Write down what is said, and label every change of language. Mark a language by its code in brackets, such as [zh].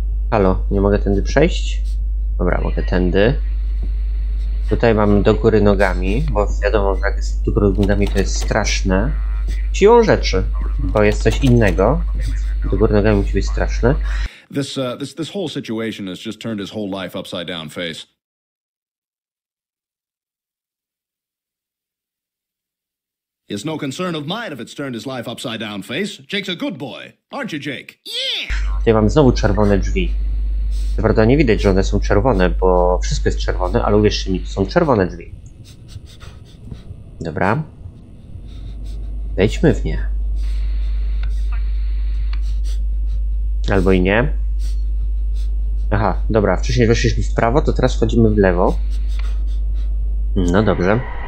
[pl] Halo, nie mogę tędy przejść? Dobra, mogę tędy. Tutaj mam do góry nogami, bo wiadomo, że jak jest do góry nogami, to jest straszne. Siłą rzeczy, bo jest coś innego. Do góry nogami musi być straszne. [en] This whole situation has just turned his whole life upside down, face. It's no concern of mine if it's turned his life upside down, face. Jake's a good boy, aren't you, Jake? Yeah! [pl] Ja mam znowu czerwone drzwi. Prawda, nie widać, że one są czerwone, bo wszystko jest czerwone, ale uwierzcie mi, to są czerwone drzwi. Dobra. Wejdźmy w nie. Albo i nie. Aha, dobra, wcześniej weszliśmy w prawo, to teraz wchodzimy w lewo. No dobrze.